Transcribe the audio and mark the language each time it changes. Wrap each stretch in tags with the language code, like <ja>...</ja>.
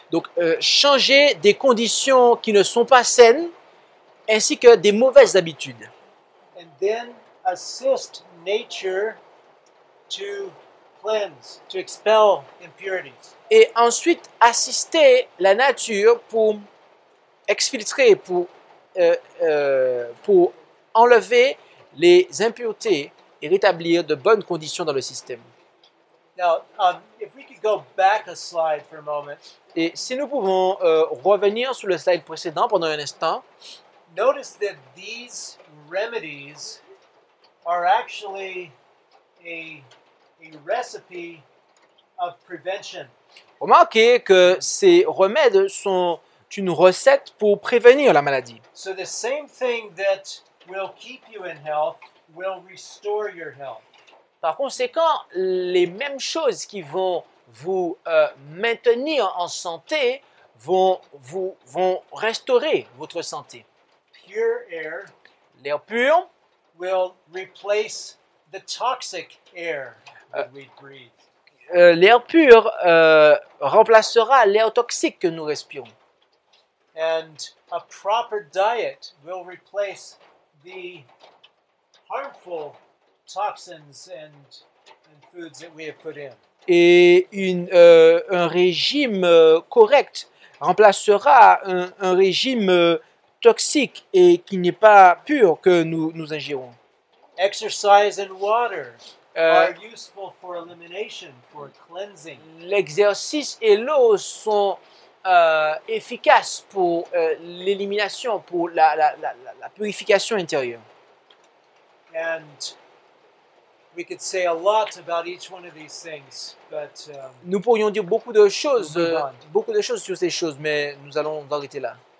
<fr>Donc, changer des conditions qui ne sont pas saines, ainsi que des mauvaises habitudes.</fr> <en>And then assist nature to cleanse, to expel impurities.</en> <fr>Et ensuite assister la nature pour exfiltrer, pour enlever les impuretés et rétablir de bonnes conditions dans le système.</fr> <en>Now, if we could go back a slide for a moment.</en> <fr>Et si nous pouvons revenir sur le slide précédent pendant un instant.</fr> <en>Notice that these remedies are actually a recipe of prevention.</en> <fr>Remarquez que ces remèdes sont une recette pour prévenir la maladie.</fr> <en>So the same thing that will keep you in health will restore your health.</en> <fr>Par conséquent, les mêmes choses qui vont vous maintenir en santé vont restaurer votre santé.</fr> <en>Pure air,</en> <fr>l'air pur,</fr> <en>will replace the toxic air that we breathe.</en> <fr>L'air pur remplacera l'air toxique que nous respirons.</fr> <en>And a proper diet will replace the harmful toxins and foods that we have put in.</en> <fr>Et un régime correct remplacera un régime toxique et qui n'est pas pur que nous ingérons.</fr> <en>Exercise and water are useful for elimination, for cleansing.</en> <fr>L'exercice et l'eau sont efficaces pour l'élimination, pour la purification intérieure.</fr> <en>And we could say a lot about each one of these things, but</en> <fr>nous pourrions dire beaucoup de choses sur ces choses, mais nous allons arrêter là.</fr>